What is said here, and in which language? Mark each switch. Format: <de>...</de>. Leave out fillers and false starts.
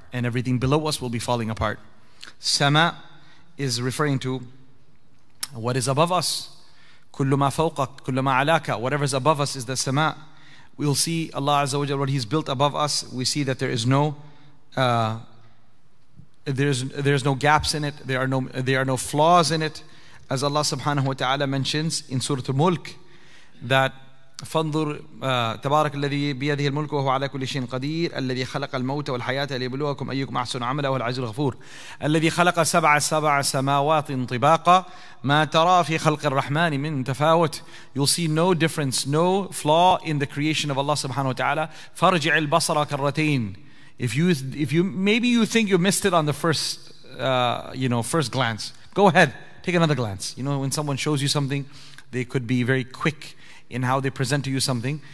<en>And everything below us will be falling apart. Sama is referring to what is above us.</en> <ar>كل ما فوقك كل ما علاك.</ar> <en>Whatever is above us is the sama. We'll see Allah Azza wa Jalla what He's built above us. We see that there is no gaps in it. There are no flaws in it. As Allah Subhanahu wa Taala mentions in Surah Al-Mulk that</en> <ar>فانظر تبارك الذي بيده الملك وهو على كل شيء قدير الذي خلق الموت والحياة ليبلوكم أيكم أحسن عملا وهو العزيز الغفور الذي خلق سبع سماوات طباقا ما ترى في خلق الرحمن من تفاوت.</ar> <en>You'll see no difference, no flaw in the creation of Allah subhanahu wa ta'ala.</en> <ar>فارجع البصر كرتين.</ar> <en>If you think you missed it on the first glance, go ahead, take another glance. You know, when someone shows you something, they could be very quick in how they present to you something.</en>